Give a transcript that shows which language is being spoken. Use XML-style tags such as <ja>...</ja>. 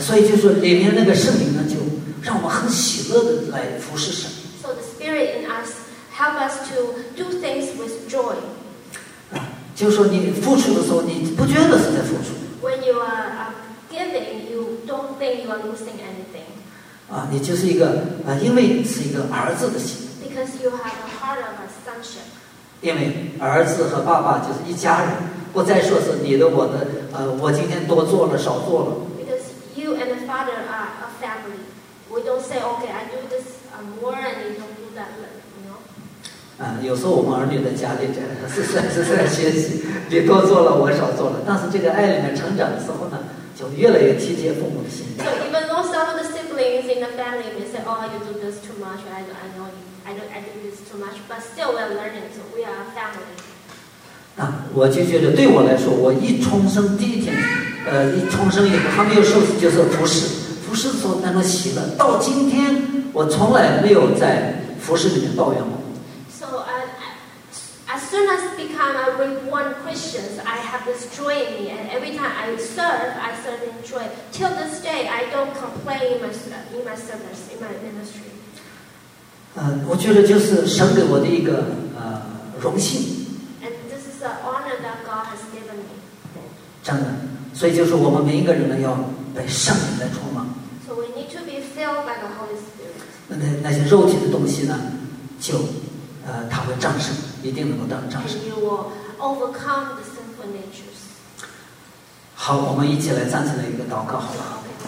<zh>所以就是里面那个圣灵呢，就让我很喜乐的来服侍神。</zh> <en>So the spirit in us help us to do things with joy.</en> <zh>就是说你付出的时候，你不觉得是在付出。</zh> <en>When you are giving, you don't think you are losing anything.</en> <zh>你就是一个因为是一个儿子的心。</zh> <en>Because you have a heart of a sonship.</en> <zh>因为儿子和爸爸就是一家人，不再说是你的我的，我今天多做了少做了。</zh> <en>Because you and the father are a family, we don't say, okay, I do this more and you don't do that less, you know.</en> <zh>嗯，有时候我们儿女的家里这是在学习，你多做了我少做了，但是这个爱里面成长的时候呢，就越来越体贴父母的心。</zh> <en>So even though some of the siblings in the family may say, oh, you do this too much, I do this too much, but still we are learning, so we are a family.</en> <zh>啊，我就觉得对我来说，我一重生第一天，一重生以后还没有受洗，就是服侍，服侍所那种喜乐，到今天我从来没有在服侍里面抱怨过。</zh> <en>So, as soon as become a reborn Christian, I have this joy in me, and every time I serve in joy. Till this day, I don't complain in my service, in my ministry.</en> <zh>我觉得就是神给我的一个荣幸。</zh> <en>The honor that God has given me.</en> <zh>真的，所以就是我们每一个人呢，要被圣灵来充满。</zh> <en>So we need to be filled by the Holy Spirit.</en> <zh>那些肉体的东西呢，就它会战胜，一定能够战胜。</zh> <en>And you will overcome the sinful natures.</en> <zh>好，我们一起来站起来一个祷告，好不好？</zh>